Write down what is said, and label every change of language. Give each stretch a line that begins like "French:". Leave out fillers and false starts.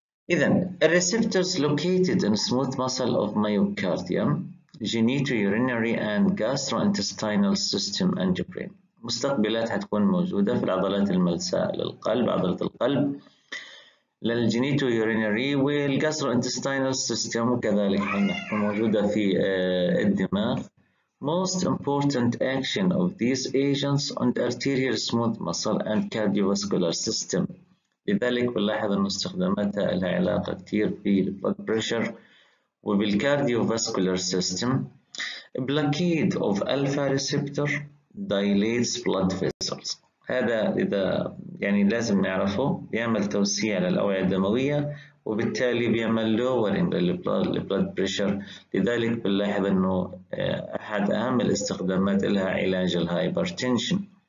Arabic: إذا
English: الريسبتورز located in smooth muscle of myocardium genitourinary and gastrointestinal system and brain,
Arabic: مستقبلات هتكون موجودة في العضلات الملساء للقلب، عضلة القلب للجينيتو يورينري والجاسترو انتستينال سيستم، وكذلك موجودة في الدماغ.
English: Most important action of these agents on the arterial smooth muscle and cardiovascular system،
Arabic: لذلك بنلاحظ ان استخداماتها لها علاقة كتير بالبلد بريشر وبالكارديوفاسكولار سيستم.
English: Blockade of alpha receptor dilates blood vessels،
Arabic: هذا إذا يعني لازم نعرفه، بيعمل توسيع للأوعية الدموية وبالتالي بيعمل lowering للblood pressure، لذلك بنلاحظ إنه أحد أهم الاستخدامات لها علاج الهايبرتنشن.